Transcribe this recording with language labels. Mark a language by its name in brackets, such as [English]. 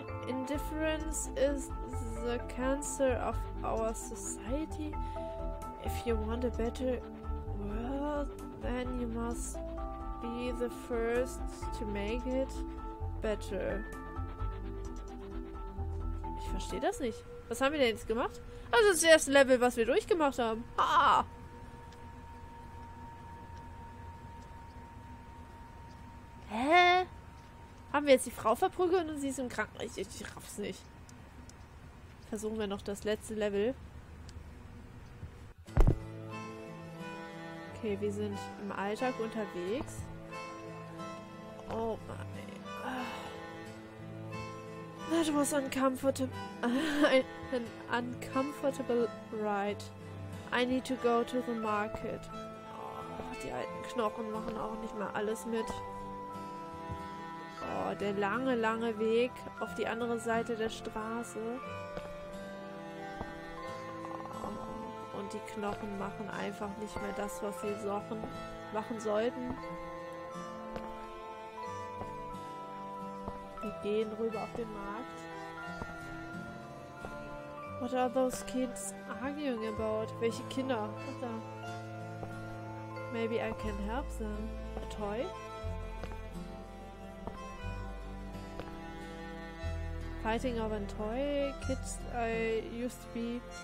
[English] Indifference is the cancer of our society. If you want a better world, then you must be the first to make it better. [German] Ich verstehe das nicht. Was haben wir denn jetzt gemacht? Also das erste Level, was wir durchgemacht haben. Ha! Haben wir jetzt die Frau verprügelt und sie ist im Krankenhaus? Ich raff's nicht. Versuchen wir noch das letzte Level. Okay, wir sind im Alltag unterwegs. Oh mein Gott. [English] That was an uncomfortable ride. I need to go to the market. [German] Oh, die alten Knochen machen auch nicht mehr alles mit. Oh, der lange, lange Weg auf die andere Seite der Straße. Und die Knochen machen einfach nicht mehr das, was sie machen sollten. Wir gehen rüber auf den Markt. [English] What are those kids arguing about? [German] Welche Kinder? Ach da. [English] Maybe I can help them. A toy? Fighting over a toy, kids I used to be.